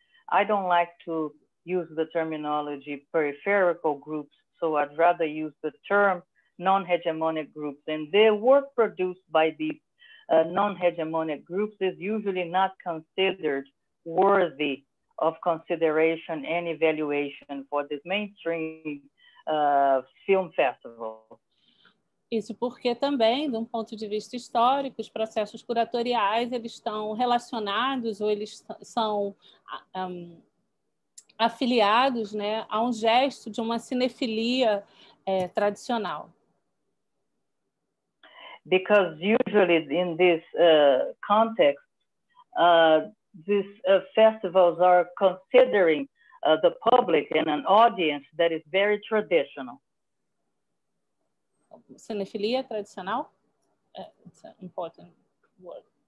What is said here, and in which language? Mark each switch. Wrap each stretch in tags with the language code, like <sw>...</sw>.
<en>I don't like to use the terminology peripheral groups, so I'd rather use the term non-hegemonic groups. And the work produced by these non-hegemonic groups is usually not considered worthy of consideration and evaluation for this mainstream film festival.</en> <pt>Isso porque também, de um ponto de vista histórico, os processos curatoriais, eles estão relacionados ou eles são afiliados, né, a um gesto de uma cinefilia tradicional.</pt> <en>Because usually in this context, these festivals are considering the public and an audience that is very traditional. Cinephilia tradicional? It's an important word.</en>